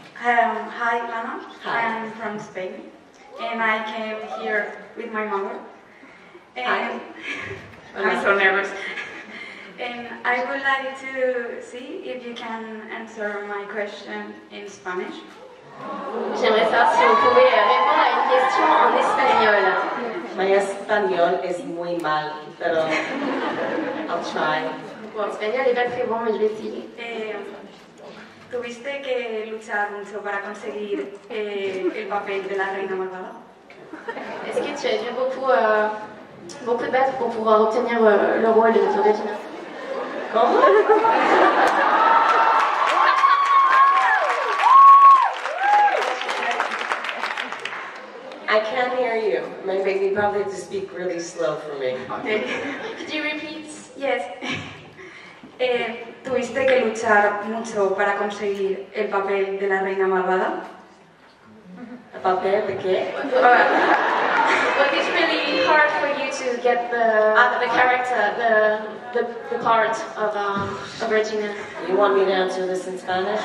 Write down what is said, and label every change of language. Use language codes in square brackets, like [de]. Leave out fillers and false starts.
[en] Hi, Lana. Hi. I'm from Spain. And I came here with my mother. Hi. I'm so nervous. And I would like to see if you can answer my question in Spanish. [fr] J'aimerais savoir si vous pouvez répondre à une question en espagnol. Mon espagnol est [es] muy mal, pero [en] I'll try. [fr] Mon espagnol est pas très bon, mais je vais essayer. [es] Tuviste que luchar mucho para conseguir el papel de la reina malvada. [fr] Est-ce que tu as dû beaucoup battre pour pouvoir obtenir le rôle de Regina? Comment? [en] I can't hear you. My baby probably has to speak really slow for me. Could you repeat? Yes. [es] ¿Tuviste que luchar mucho para conseguir el papel de la reina malvada? ¿El papel de qué? [en] Like it's really hard for you to get the character, the part of Regina. You want me to answer this in Spanish?